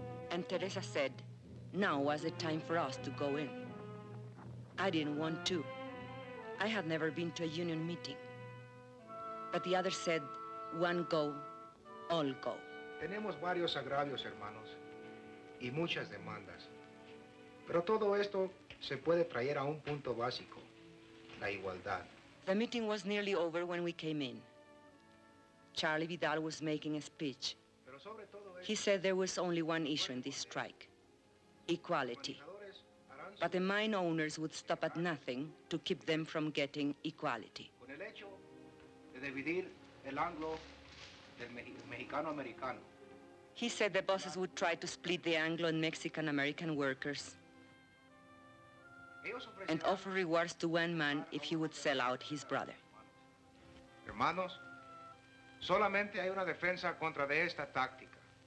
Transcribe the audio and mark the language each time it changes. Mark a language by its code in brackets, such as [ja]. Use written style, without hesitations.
[en] And Teresa said, now was the time for us to go in. I didn't want to. I had never been to a union meeting. But the others said, one go, all go. [es] Tenemos varios agravios, hermanos, y muchas demandas. Pero todo esto se puede traer a un punto básico, la igualdad. [en] The meeting was nearly over when we came in. Charlie Vidal was making a speech. He said there was only one issue in this strike, equality. But the mine owners would stop at nothing to keep them from getting equality. He said the bosses would try to split the Anglo and Mexican-American workers and offer rewards to one man if he would sell out his brother. [es] Hermanos, solamente hay una defensa contra de esta táctica.